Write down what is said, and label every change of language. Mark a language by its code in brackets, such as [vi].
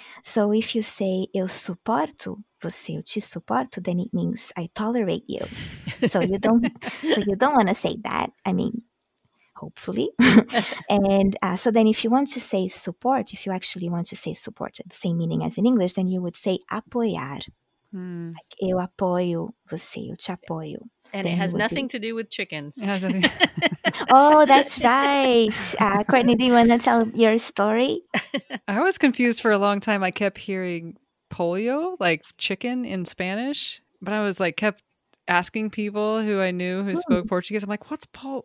[en] So if you say [pt] eu suporto você, eu te suporto, [en] then it means I tolerate you. So you don't want to say that. I mean, hopefully. so then if you want to say support, if you actually want to say support, the same meaning as in English, then you would say apoiar. Mm. Like [pt] eu apoio você, eu te apoio. [en] And then it has nothing to do with chickens. Oh, that's right. Courtney, do you want to tell your story? I was confused for a long time. I kept hearing pollo, like chicken in Spanish. But I was like, kept asking people who I knew who spoke Portuguese. I'm like, what's pollo?